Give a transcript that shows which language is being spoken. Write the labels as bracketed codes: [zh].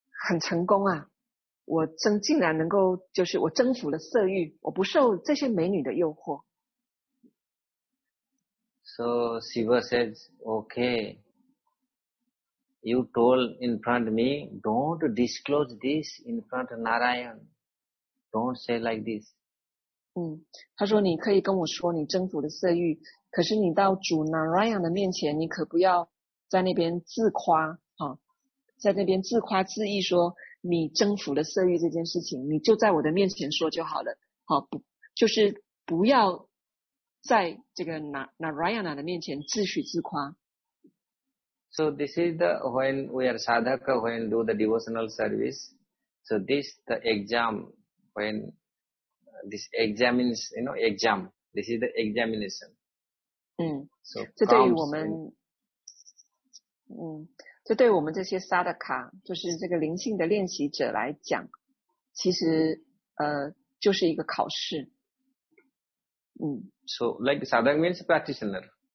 [zh] 很成功啊，我真竟然能够，就是我征服了色欲，我不受这些美女的诱惑。 [en] So Shiva says, okay, you told in front of me, don't disclose this in front of Narayan, don't say like this. [zh] 他说你可以跟我说你征服了色欲，可是你到主 Narayan 的面前，你可不要在那边自夸啊。在那边自夸自意说你征服了色欲这件事情，你就在我的面前说就好了，好，不就是不要在这个 Narayana 的面前自诩自夸。 [en] So this is the when we are sadhaka, when do the devotional service. So this the exam, when this examines, you know, exam. This is the examination. So [zh] 这对于我们，这对我们这些萨德卡，就是这个灵性的练习者来讲，其实就是一个考试。 [en] So like sadhak means practitioner.